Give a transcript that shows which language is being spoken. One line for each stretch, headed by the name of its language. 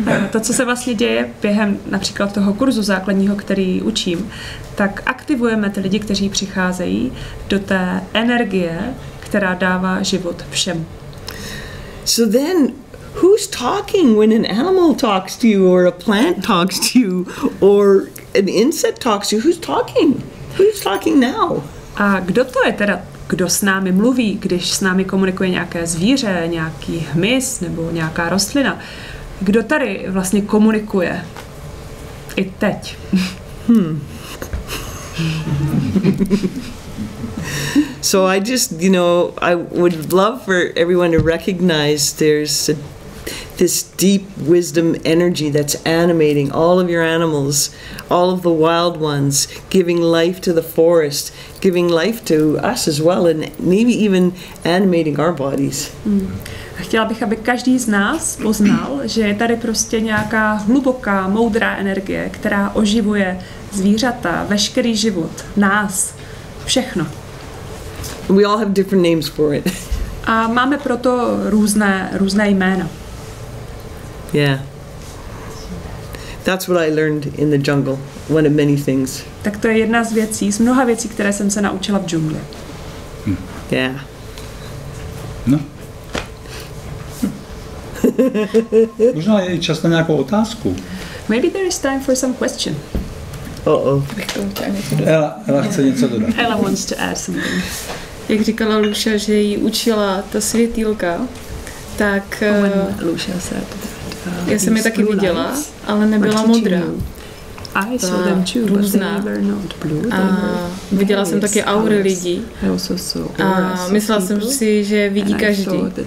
Czech: To, co se vlastně děje během například toho kurzu základního, který učím, tak aktivujeme ty lidi, kteří přicházejí do té energie, která dává život všem.
English: So then, who's talking when an animal talks to you, or a plant talks to you, or an insect talks to you? Who's talking? Who's talking now?
Czech: A kdo to je teda? Kdo s námi mluví, když s námi komunikuje nějaké zvíře, nějaký hmyz nebo nějaká rostlina? Kdo tady vlastně komunikuje? I teď.
English: So I just, you know, I would love for everyone to recognize there's this deep wisdom energy that's animating all of your animals, all of the wild ones, giving life to the forest, giving life to us as well, and maybe even animating our bodies.
Czech: A chtěla bych, aby každý z nás poznal, že je tady prostě nějaká hluboká, moudrá energie, která oživuje zvířata, veškerý život, nás, všechno.
English: We all have different names for it.
Czech: A máme proto různé jména. Yeah.
English: That's what I learned in the jungle, one of many things.
Czech: Tak to je jedna z věcí, z mnoha věcí, které jsem se naučila v džungli. Yeah. No. Možná je čas na nějakou otázku.
English: Maybe there is time for some question. Uh-oh.
Czech: Ella chce něco dodat.
English: Ella wants to add something.
Czech: Jak říkala Luša, že ji učila ta světýlka, tak... Luša se... Já jsem je taky viděla, ale nebyla modrá.
English: I saw them too, but they were not blue.
Czech: A viděla jsem taky aury lidí. A myslela jsem si, že vidí každý.